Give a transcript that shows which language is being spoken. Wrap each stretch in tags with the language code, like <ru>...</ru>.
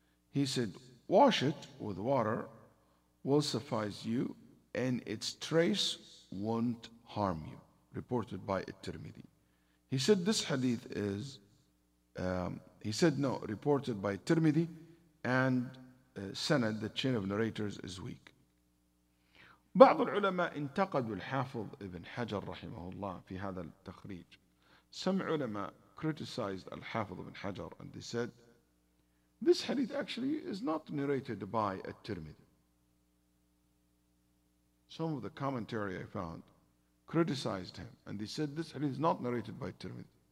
<en>He said, wash it with water, will suffice you, and its trace won't harm you, reported by At-Tirmidhi. He said this hadith is, reported by At-Tirmidhi, and sanad, the chain of narrators, is weak.</en> <ar>بعض العلماء انتقدوا الحافظ ابن حجر رحمه الله في هذا التخريج.</ar> <en>Some ulama criticized al-Hafiz ibn Hajar and they said, this hadith actually is not narrated by At-Tirmidhi. Some of the commentary I found criticized him, and they said this hadith is not narrated by Tirmidhi.</en>